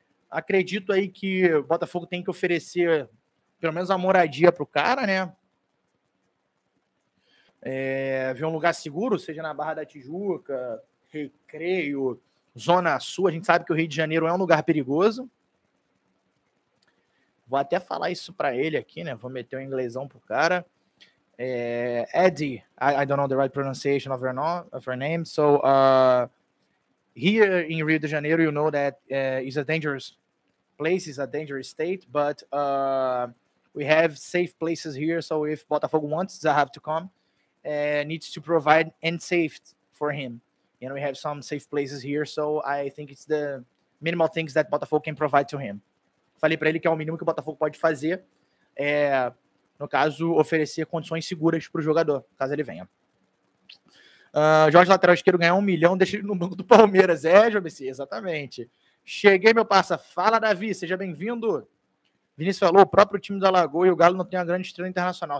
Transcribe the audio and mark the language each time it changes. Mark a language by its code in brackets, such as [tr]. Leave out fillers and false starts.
[pt] Acredito aí que o Botafogo tem que oferecer pelo menos uma moradia pro cara, né? ver um lugar seguro, seja na Barra da Tijuca, Recreio, Zona Sul. A gente sabe que o Rio de Janeiro é um lugar perigoso. Vou até falar isso para ele aqui, né? Vou meter um inglesão pro cara. [en] Eddie, I don't know the right pronunciation of her name. So, here in Rio de Janeiro, you know that it's a dangerous place, it's a dangerous state, but we have safe places here. So, if Botafogo wants Zahav to come, needs to provide and safe for him. And we have some safe places here. So, I think it's the minimal things that Botafogo can provide to him. [pt] Falei para ele que é o mínimo que o Botafogo pode fazer, no caso, oferecer condições seguras para o jogador, caso ele venha. Jorge, lateral esquerdo, ganhar 1 milhão, deixa ele no banco do Palmeiras. É, JBC, exatamente. Cheguei, meu parça. Fala, Davi, seja bem-vindo. Vinícius falou, o próprio time da Lagoa e o Galo não tem uma grande estrela internacional.